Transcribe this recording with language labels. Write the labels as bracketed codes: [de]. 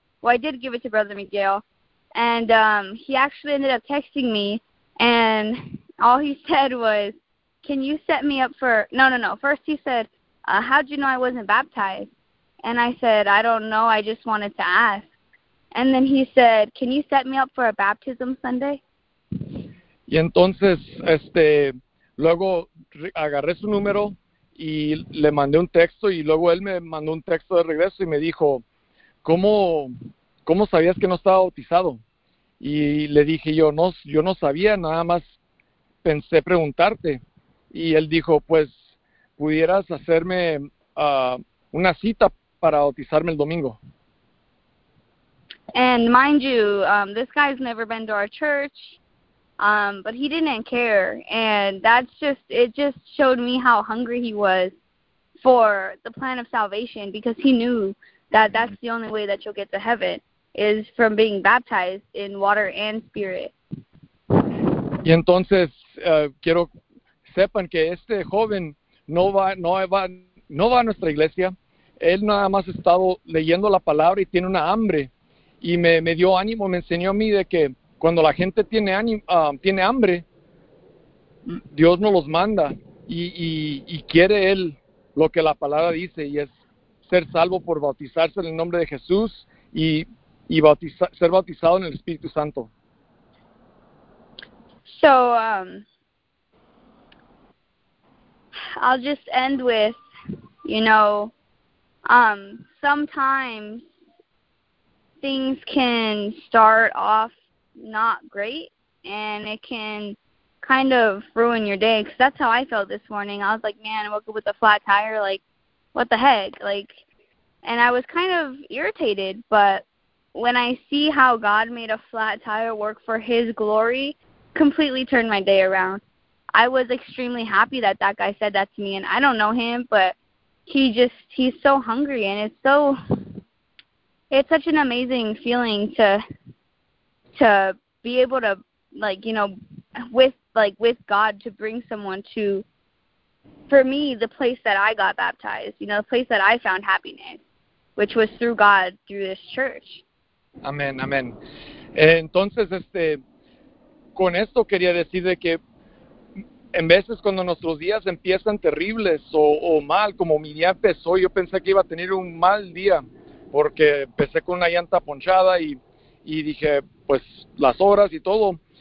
[en] Well, I did give it to Brother Miguel, and he actually ended up texting me, and all he said was, can you set me up for, no. First he said, how'd you know I wasn't baptized? And I said, I don't know, I just wanted to ask. And then he said, can you set me up for a baptism Sunday? [es] Y entonces, luego agarré su número y le mandé un texto y luego él me mandó un texto de regreso y me dijo, ¿cómo sabías que no estaba bautizado? Y le dije yo, no, yo no sabía, nada más pensé preguntarte. Y él dijo, pues, ¿pudieras hacerme una cita para bautizarme el domingo? [en] And mind you, this guy's never been to our church, but he didn't care. And that's just, it just showed me how hungry he was for the plan of salvation, because he knew that that's the only way that you'll get to heaven is from being baptized in water and spirit. [es] Y entonces, quiero sepan que este joven no va a nuestra iglesia. Él nada más ha estado leyendo la palabra y tiene una hambre. Y me dio ánimo, me enseñó a mí de que cuando la gente tiene hambre, Dios no los manda. Y quiere él lo que la palabra dice, y es ser salvo por bautizarse en el nombre de Jesús y ser bautizado en el Espíritu Santo. [en] So, I'll just end with, you know, sometimes things can start off not great, and it can kind of ruin your day, because that's how I felt this morning. I was like, man, I woke up with a flat tire, like, what the heck? Like, and I was kind of irritated, but when I see how God made a flat tire work for His glory, completely turned my day around. I was extremely happy that that guy said that to me, and I don't know him, but he's so hungry, and it's such an amazing feeling to be able to, like, you know, with God, to bring someone to, for me, the place that I got baptized, you know, the place that I found happiness, which was through God, through this church. [es] Amén, amén. Entonces, con esto quería decir de que en veces cuando nuestros días empiezan terribles o mal, como mi día empezó, yo pensé que iba a tener un mal día porque empecé con una llanta ponchada y dije, pues, las horas y todo.